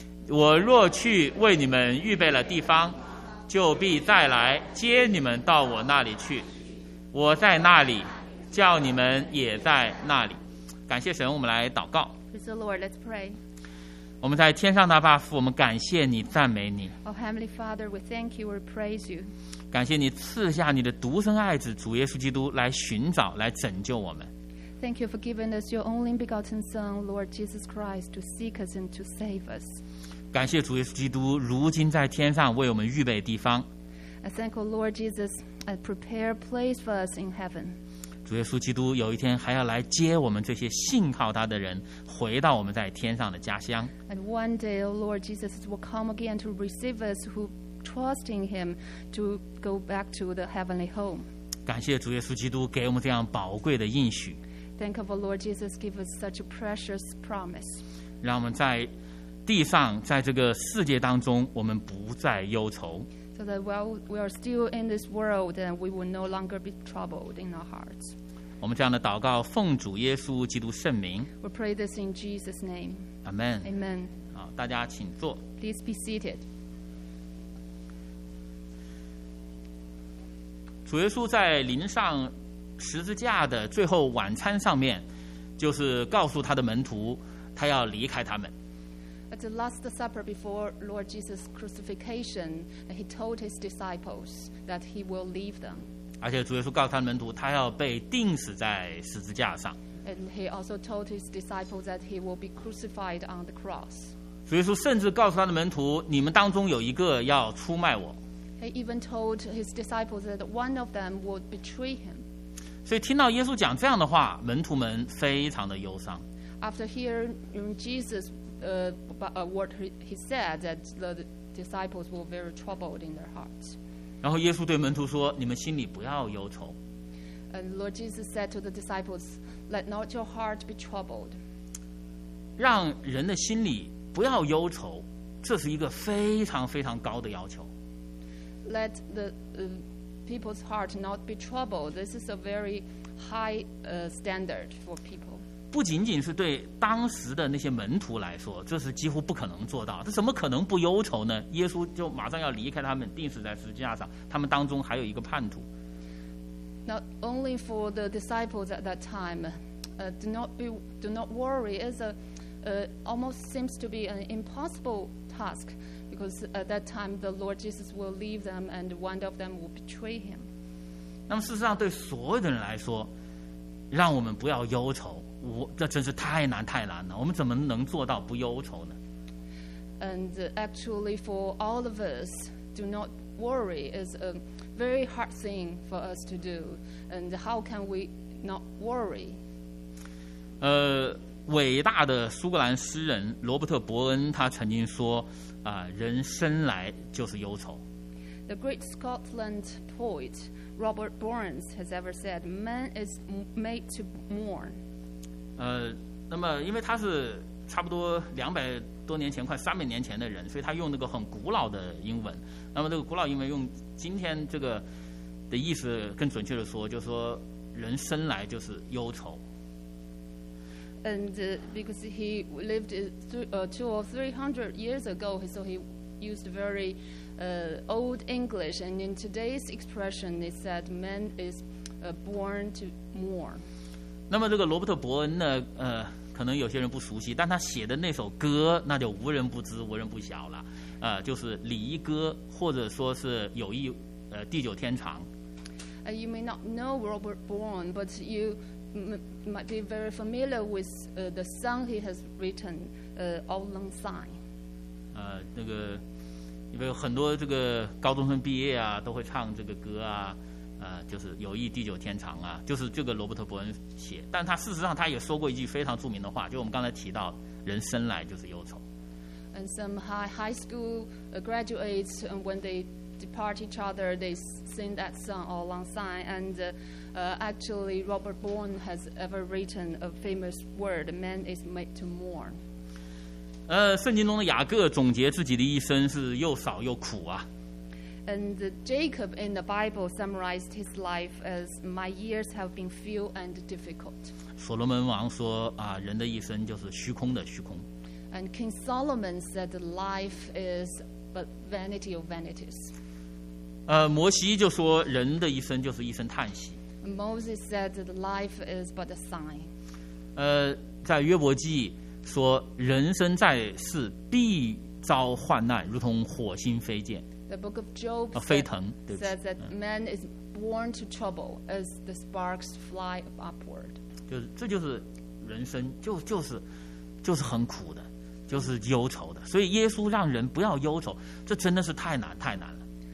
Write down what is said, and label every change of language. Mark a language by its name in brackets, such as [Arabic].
[Chinese] 我若去为你们预备了地方，就必再来接你们到我那里去。我在那里，叫你们也在那里。感谢神，我们来祷告。 [English] Praise the Lord, let's pray. [Chinese] 我们在天上的爸父，我们感谢你，赞美你。 [English] Oh, Heavenly Father, we thank you, we praise you. [Chinese] 感谢你赐下你的独生爱子主耶稣基督来寻找，来拯救我们。 [English] Thank you for giving us your only begotten Son, Lord Jesus Christ, to seek us and to save us. [Chinese] 感谢主耶稣基督，如今在天上为我们预备地方。 [English] I thank you, Lord Jesus, and prepare a place for us in heaven. [Chinese] 主耶稣基督有一天还要来接我们这些信靠他的人回到我们在天上的家乡。 [English] And one day, O Lord Jesus will come again to receive us who trust in him to go back to the heavenly home. [Chinese] 感谢主耶稣基督给我们这样宝贵的应许。 [English] Thank of the Lord Jesus give us such a precious promise. [Chinese] 让我们在地上，在这个世界当中，我们不再忧愁。 [English] So that while we are still in this world, and we will no longer be troubled in our hearts. [Chinese] 我们这样的祷告，奉主耶稣基督圣名。 [English] We pray this in Jesus' name. Amen. Amen. [Chinese] 好，大家请坐。 [English] Please be seated. [Chinese] 主耶稣在临上十字架的最后晚餐上面，就是告诉他的门徒，他要离开他们。 [English] At the Last Supper before Lord Jesus' crucifixion, he told his disciples that he will leave them. [Chinese] 而且主耶稣告诉他的门徒，他要被钉死在十字架上。 [English] And he also told his disciples that he will be crucified on the cross. [Chinese] 主耶稣甚至告诉他的门徒，你们当中有一个要出卖我。 [English] He even told his disciples that one of them would betray him. [Chinese] 所以听到耶稣讲这样的话，门徒们非常的忧伤。 [English] After hearing Jesus. What he said that the disciples were very troubled in their hearts. [Chinese] 然后耶稣对门徒说：“你们心里不要忧愁。” [English] And Lord Jesus said to the disciples, "Let not your heart be troubled." [Chinese] 让人的心里不要忧愁，这是一个非常非常高的要求。 [English] Let the people's heart not be troubled. This is a very high standard for people. [Chinese] 不仅仅是对当时的那些门徒来说，这是几乎不可能做到。他怎么可能不忧愁呢？耶稣就马上要离开他们，钉死在十字架上。他们当中还有一个叛徒。 [English] Not only for the disciples at that time, do not worry. It's almost seems to be an impossible task because at that time the Lord Jesus will leave them and one of them will betray him. [Chinese] 那么事实上，对所有的人来说，让我们不要忧愁。这真是太难太难了，我们怎么能做到不忧愁呢？ [English] And actually for all of us, do not worry is a very hard thing for us to do. And how can we not worry? [Chinese] 伟大的苏格兰诗人罗伯特·伯恩他曾经说人生来就是忧愁。 [English] The great Scotland poet Robert Burns has ever said, man is made to mourn. [Chinese] 那么因为他是差不多200多年前快300年前的人，所以他用那个很古老的英文。那么这个古老英文用今天这个的意思更准确的说，就是说人生来就是忧愁。 [English] And because he lived two or three hundred years ago, so he used very old English, and in today's expression it said man is born to mourn. [Chinese] 那么这个罗伯特·伯恩呢？可能有些人不熟悉，但他写的那首歌那就无人不知、无人不晓了，就是《离歌》，或者说是《友谊》，《地久天长》。 [English] You may not know Robert Burns, but you might be very familiar with the song he has written, "All Lang Syne." [Chinese] 那个，因为很多这个高中生毕业啊，都会唱这个歌啊。就是友谊地久天长啊，就是这个罗伯特伯恩写，但他事实上他也说过一句非常著名的话，就我们刚才提到，人生来就是忧愁。 [English] And some high school graduates, and when they depart each other, they sing that song all alongside. And actually, Robert Burns has ever written a famous word, "Man is made to mourn." [Chinese] 圣经中的雅各总结自己的一生是又少又苦啊。 [English] And Jacob in the Bible summarized his life as my years have been few and difficult. [Chinese] 所罗门王说啊，人的一生就是虚空的虚空。 [English] And King Solomon said life is but vanity of vanities. [Chinese] 摩西就说人的一生就是一声叹息。 [English] Moses said life is but a sigh. [Chinese] 在约伯记说人生在世必遭患难，如同火星飞溅。 [English] The book of Job says that man is born to trouble as the sparks fly upward. [Chinese] 就是这就是人生，就是很苦的，就是忧愁的。所以耶稣让人不要忧愁，这真的是太难太难了。